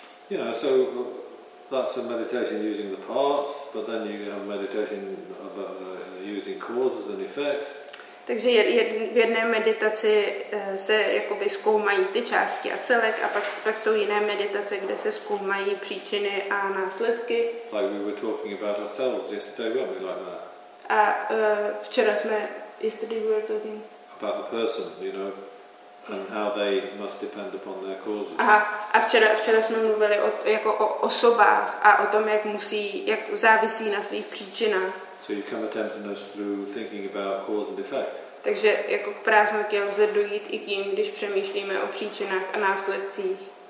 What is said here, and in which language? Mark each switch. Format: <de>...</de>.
<en>You know, so that's a meditation using the parts, but then you have meditation about using causes and effects.</en> <cs>Takže v jedné meditaci se jakoby zkoumají ty části a celek a pak jsou jiné meditace, kde se zkoumají příčiny a následky.</cs> <en>Like we were talking about ourselves yesterday, weren't we, like that?</en> <cs>A včera jsme,</cs> <en>yesterday we were talking about the person, you know, and how they must depend upon their causes. Aha.</en> <cs>A včera jsme mluvili o osobách a o tom, jak závisí na svých příčinách.</cs> <en>So you come attempting us through thinking about cause and effect.</en> <cs>Takže jako k prázdnotě lze dojít i tím, když přemýšlíme o příčinách a následcích.</cs>